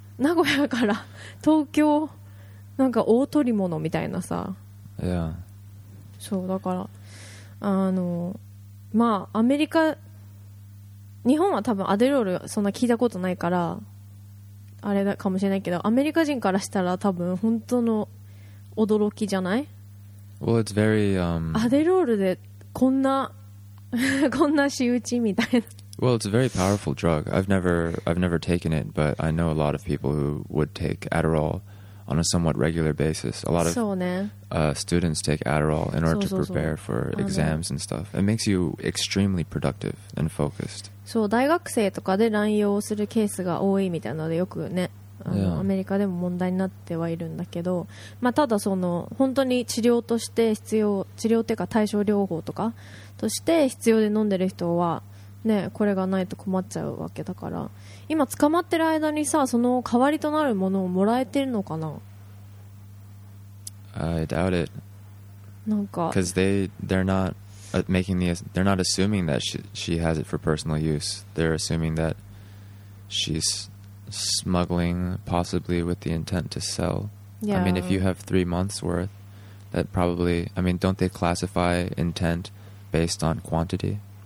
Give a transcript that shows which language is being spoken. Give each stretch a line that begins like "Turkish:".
Japanese: 名古屋から東京なんか大捕り物みたいなさ、そうだからあのまあアメリカ、日本は多分アデロールそんな聞いたことないからあれかもしれないけど、アメリカ人からしたら多分本当の驚きじゃない？
English: Well, it's very,
Japanese: アデロールでこんなこんな仕打ちみたいな。
English: Well, it's a very powerful drug. I've never taken it, but I know a lot of people who would take Adderall on a somewhat regular basis. A lot of students take Adderall in order to prepare for exams and stuff. It makes you extremely productive and focused.
Japanese: そう、大学生とかで乱用するケースが多いみたいなので、よくね、アメリカでも問題になってはいるんだけど、まあ、ただその本当に治療として必要、治療というか対症療法とかとして必要で飲んでる人は、ね、これがないと困っちゃうわけだから、今捕まってる間にさ、その代わりとなるものをもらえてるのかな。
English: I doubt it.
Japanese: なんか
English: Because they're not assuming that she has it for personal use. They're assuming that she'sSmuggling possibly with the intent to sell. Yeah. I mean, if you have 3 months worth, that probably, I mean, don't they classify intent based on quantity?